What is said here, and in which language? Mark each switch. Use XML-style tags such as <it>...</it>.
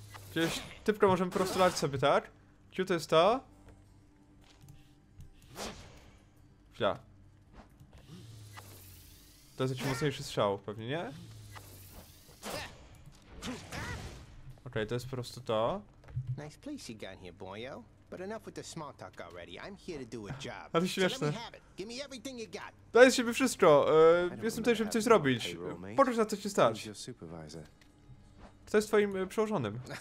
<pl>Gdzieś typko możemy po prostu lać sobie, tak? Gdzie to jest to? Fla. To jest jakiś mocniejszy strzał, pewnie nie? Okej, to jest po prostu to.</pl> <en>Nice place you got here, boyo. But enough with the small talk already. I'm here to do a job.</en> <pl>Ale śmieszne.</pl> <en>Give me everything you got.</en> <pl>Daj z siebie wszystko. Jestem tutaj, żeby coś zrobić. Poczuć, na co ci stać. Kto jest twoim przełożonym?</pl>